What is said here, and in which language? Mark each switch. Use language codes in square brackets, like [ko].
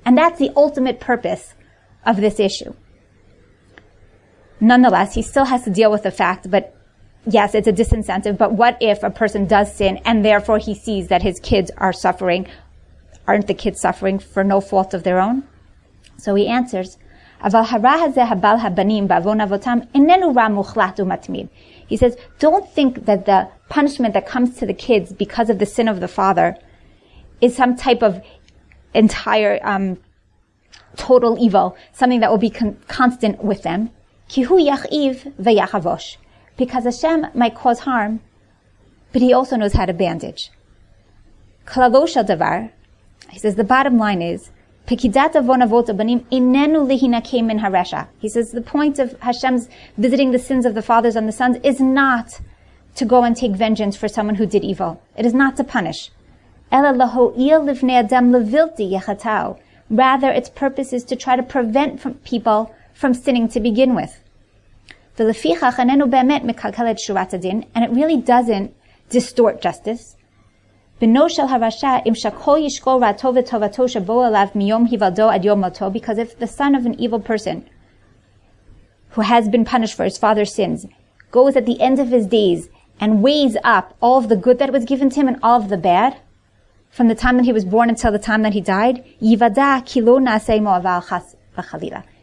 [en] And that's the ultimate purpose of this issue. Nonetheless, he still has to deal with the fact, but yes, it's a disincentive, but what if a person does sin and therefore he sees that his kids are suffering? Aren't the kids suffering for no fault of their own? So he answers, [he] אבל הרע הזה הבעל הבנים בעוון אבותם איננו רע מוחלט ומתמיד. [en] He says, don't think that the punishment that comes to the kids because of the sin of the father is some type of entire, total evil, something that will be constant with them. [he] כי הוא יחאיב ויחבוש. [en] Because Hashem might cause harm, but he also knows how to bandage. [he] כללו של דבר, [en] he says, the bottom line is, [he] פקידת עוון אבות הבנים איננו להינקה מן הרשע. [en] He says, the point of Hashem's visiting the sins of the fathers and the sons is not to go and take vengeance for someone who did evil. It is not to punish. [he] אלא להועיל לבני אדם לבלתי יחטאו. [en] Rather, its purpose is to try to prevent people from sinning to begin with. [he] ולפיכך איננו באמת מקלקל את שורת הדין, [en] and it really doesn't distort justice. [he] בנו של הרשע, אם שכל ישקול רעתו וטובתו שבוא אליו מיום היוולדו עד יום מותו, [en] because if the son of an evil person who has been punished for his father's sins goes at the end of his days and weighs up all of the good that was given to him and all of the bad from the time that he was born until the time that he died, [he] יוודא כי לא נעשה עמו עוול חס וחלילה.